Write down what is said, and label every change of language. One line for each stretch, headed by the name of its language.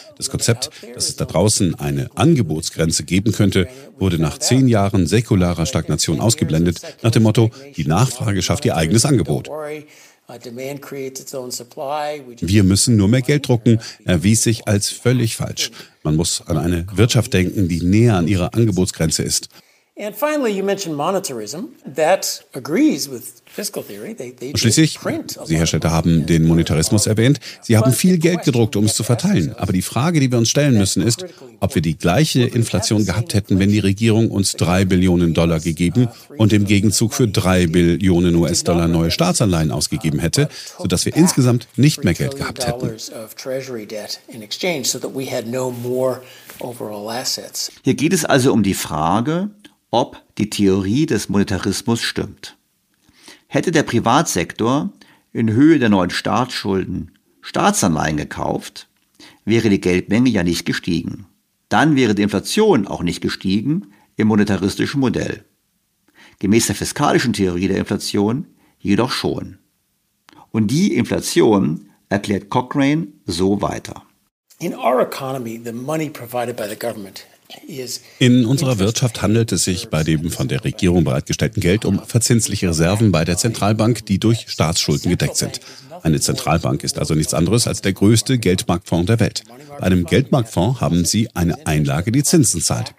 German: Das Konzept, dass es da draußen eine Angebotsgrenze geben könnte, wurde nach 10 Jahren säkularer Stagnation ausgeblendet, nach dem Motto, die Nachfrage schafft ihr eigenes Angebot. Wir müssen nur mehr Geld drucken, erwies sich als völlig falsch. Man muss an eine Wirtschaft denken, die näher an ihrer Angebotsgrenze ist.
English: And finally, you mentioned monetarism. That agrees with fiscal theory.
German: Und schließlich, Sie, Herr Stelter, haben den Monetarismus erwähnt. Sie haben viel Geld gedruckt, um es zu verteilen. Aber die Frage, die wir uns stellen müssen, ist, ob wir die gleiche Inflation gehabt hätten, wenn die Regierung uns $3 Billionen gegeben und im Gegenzug für $3 Billionen neue Staatsanleihen ausgegeben hätte, sodass wir insgesamt nicht mehr Geld gehabt hätten. Hier geht es also um die Frage, ob die Theorie des Monetarismus stimmt. Hätte der Privatsektor in Höhe der neuen Staatsschulden Staatsanleihen gekauft, wäre die Geldmenge ja nicht gestiegen. Dann wäre die Inflation auch nicht gestiegen im monetaristischen Modell. Gemäß der fiskalischen Theorie der Inflation jedoch schon. Und die Inflation erklärt Cochrane so weiter.
English: In our economy, the money provided by the government.
German: In unserer Wirtschaft handelt es sich bei dem von der Regierung bereitgestellten Geld um verzinsliche Reserven bei der Zentralbank, die durch Staatsschulden gedeckt sind. Eine Zentralbank ist also nichts anderes als der größte Geldmarktfonds der Welt. Bei einem Geldmarktfonds haben Sie eine Einlage, die Zinsen zahlt.